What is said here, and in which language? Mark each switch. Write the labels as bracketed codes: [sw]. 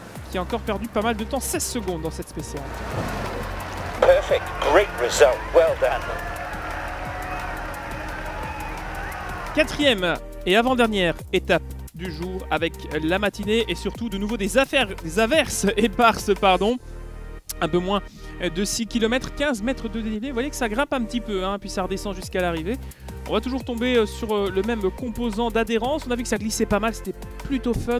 [fr] Qui a encore perdu pas mal de temps, 16 secondes dans cette spéciale. [en] Perfect, great result, well done. [fr] Quatrième et avant-dernière étape du jour avec la matinée et surtout de nouveau des averses éparses. Un peu moins de 6 km, 15 mètres de dénivelé. Vous voyez que ça grimpe un petit peu, hein, puis ça redescend jusqu'à l'arrivée. On va toujours tomber sur le même composant d'adhérence. On a vu que ça glissait pas mal, c'était plutôt fun.